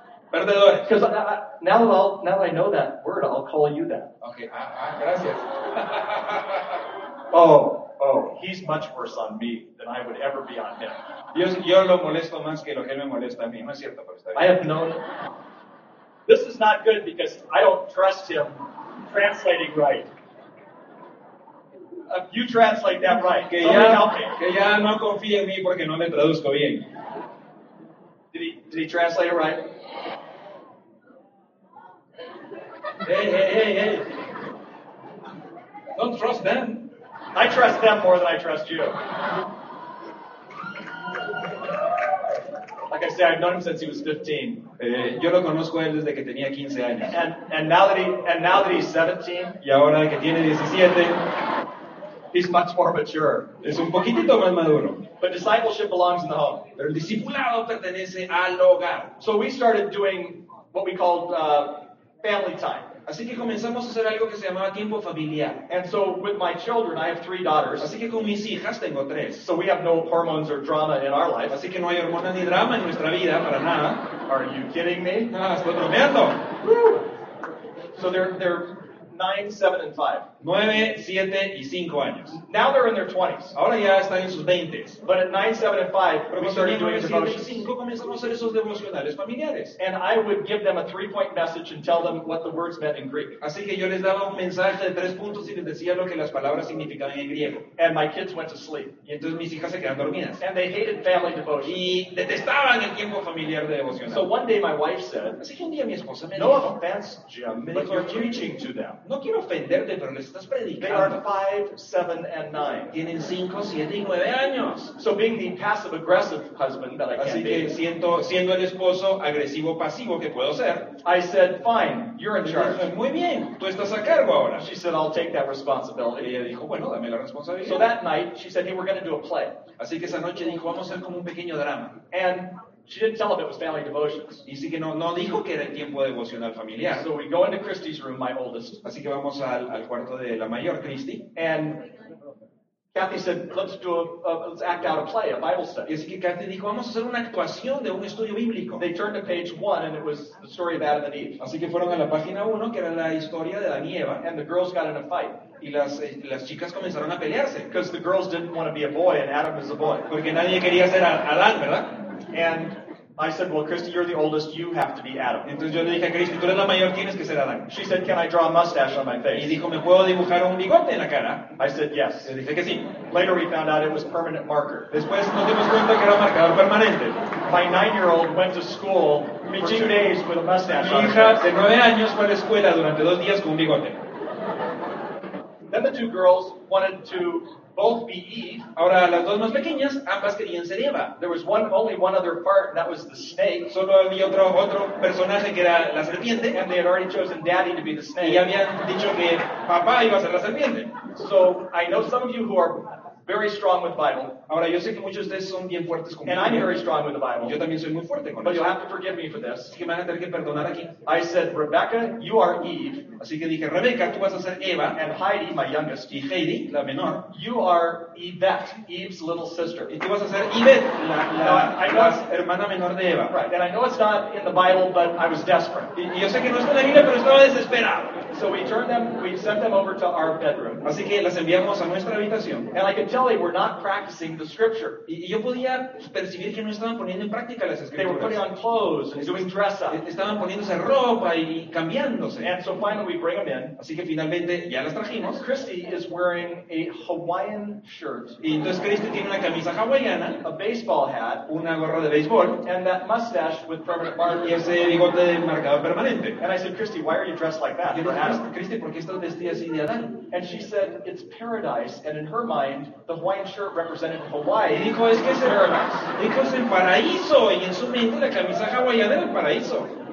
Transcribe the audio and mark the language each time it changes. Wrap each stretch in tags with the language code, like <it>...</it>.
<en>Because now that I know that word, I'll call you that.</en> <es>Okay, gracias.</es> <en>Oh, he's much worse on me than I would ever be on him.</en> <es>Yo lo molesto más que lo que él me molesta a mí. No es cierto, pero está bien.</es> <en>I have known. This is not good because I don't trust him translating right. You translate that right.</en> <es>Que ya, no confía en mí porque no me traduzco bien.</es> <en>Did he translate it right? Hey. Don't trust them. I trust them more than I trust you. Like I said, I've known him since he was 15.</en> <es>Yo lo conozco él desde que tenía 15 años.</es> <en>And now that he's 17.</en> <es>Y ahora que tiene 17.</es> <en>He's much more mature.</en> <es>Es un poquitito más maduro.</es> <en>But discipleship belongs in the home.</en> <es>Pero el discipulado pertenece al hogar.</es> <en>So we started doing what we called family time.</en> <es>Así que comenzamos a hacer algo que se llamaba tiempo familiar.</es> <en>And so with my children, I have 3 daughters.</en> <es>Así que con mis hijas tengo 3.</es> <en>So we have no hormones or drama in our life.</en> <es>Así que no hay hormonas ni drama en nuestra vida, para nada.</es> <en>Are you kidding me?</en> <es>No, estoy bromeando.</es> <en>So they're 9, 7, and 5. 9, 7, and 5 years. Now they're in their 20s.</en> <es>Ahora ya están en sus 20s.</es> <en>But at 9, 7, and 5, we started doing</en> <es>devotionals. Familiares.</es> <en>And I would give them a 3-point message and tell them what the words meant in Greek.</en> <es>Así que yo les daba un mensaje de 3 puntos y les decía lo que las palabras significaban en griego.</es> <en>And my kids went to sleep.</en> <es>Y entonces mis hijas se quedaron dormidas.</es> <en>And they hated family devotion.</en> <es>Y detestaban el tiempo familiar de devocional.</es> <en>So one day my wife said,</en> <es>así que un día mi esposa me no dijo,</es> <en>offense, Jim, but you're preaching to them.</en> <es>No quiero ofenderte, pero les estás predicando.</es> <en>They are 5, 7, and 9.</en> <es>Tienen 5, 7, y 9 años.</es> <en>So being the passive-aggressive husband that I can be.</en> <es>Así que siendo el esposo agresivo-pasivo que puedo ser.</es> <en>I said, fine, you're in charge.</en> <es>Muy bien, tú estás a cargo ahora.</es> <en>She said, I'll take that responsibility.</en> <es>Y ella dijo, bueno, dame la responsabilidad.</es> <en>So that night, she said, hey, we're going to do a play.</en> <es>Así que esa noche dijo, vamos a hacer como un pequeño drama.</es> <en>And she didn't tell him it was family devotions.</en> <es>Y sí que no dijo que era el tiempo devocional familiar.</es> <en>So we go into Christie's room, my oldest.</en> <es>Así que vamos al cuarto de la mayor, Christie.</es> <en>And Kathy said, let's act out a play, a Bible study.</en> <es>Y así que Kathy dijo, vamos a hacer una actuación de un estudio bíblico.</es> <en>They turned to page 1 and it was the story of Adam and Eve.</en> <es>Así que fueron a la página 1, que era la historia de Adán y Eva.</es> <en>And the girls got in a fight.</en> <es>Y las chicas comenzaron a pelearse.</es> <en>Because the girls didn't want to be a boy and Adam is a boy.</en> <es>Porque nadie quería ser Adán, ¿verdad?</es> <en>And I said, well, Christy, you're the oldest. You have to be Adam.</en> <es>Entonces yo le dije a Christy, tú eres la mayor, tienes que ser Adam.</es> <en>She said, can I draw a mustache on my face?</en> <es>Y dijo, ¿me puedo dibujar un bigote en la cara?</es> <en>I said, yes.</en> <es>Le dije que sí.</es> <en>Later we found out it was permanent marker.</en> <es>Después nos dimos cuenta que era marcador permanente.</es> <en>My 9-year-old went to school for 2 days with a mustache on.</en> <es>Mi hija de 9 años fue a la escuela durante 2 días con un bigote.</es> <en>Then the 2 girls wanted to both be Eve.</en> <es>Ahora, las dos más pequeñas, ambas querían ser Eva.</es> <en>There was only one other part, and that was the snake.</en> <es>Solo había otro personaje que era la serpiente.</es> <en>And they had already chosen daddy to be the snake.</en> <es>Y habían dicho que papá iba a ser la serpiente.</es> <en>So, I know some of you who are very strong with Bible.</en> <es>Ahora, yo sé que muchos de ustedes son bien fuertes con</es> <en>Bible. And I'm very strong with the Bible.</en> <es>Yo también soy muy fuerte con</es> <en>But you'll have to forgive me for this.</en> <es>Así que me van a tener que perdonar aquí.</es> <en>I said, Rebecca, you are Eve.</en> <es>Así que dije, Rebecca, tú vas a ser Eva.</es> <en>And Heidi, my youngest.</en> <es>Y Heidi, la menor.</es> <en>You are Yvette, Eve's little sister.</en> <es>Y tú vas a ser Yvette, la hermana menor de Eva.</es> <en>Right. And I know it's not in the Bible, but I was desperate.</en> <es>Y yo sé que no está en la Biblia, pero estaba desesperado.</es> <en>So we sent them over to our bedroom.</en> <es>Así que las enviamos a nuestra habitación.</es> <en>And I could tell tell they were not practicing the scripture.</en> <es>Y yo podía percibir que no estaban poniendo en práctica las escrituras.</es> <en>They were putting on clothes and doing dress up.</en> <es>Estaban poniéndose ropa y cambiándose.</es> <en>And so finally we bring them in.</en> <es>Así que finalmente ya las trajimos.</es> <en>Christy is wearing a Hawaiian shirt.</en> <es>Y entonces Christy tiene una camisa hawaiana,</es> <en>a baseball hat,</en> <es>una gorra de béisbol,</es> <en>and that mustache with permanent markers.</en> <es>Y ese bigote marcado permanente.</es> <en>And I said, Christy, why are you dressed like that?</en> <es>Y yo asked Christy, ¿por qué estás vestida así de Adán?</es> <en>And she said, it's paradise, and in her mind, the Hawaiian shirt represented Hawaii.</en> <es>Y dijo, es que es el paraíso. Dijo, es el paraíso. Y en su mente, la camisa hawaiana era el paraíso.</es>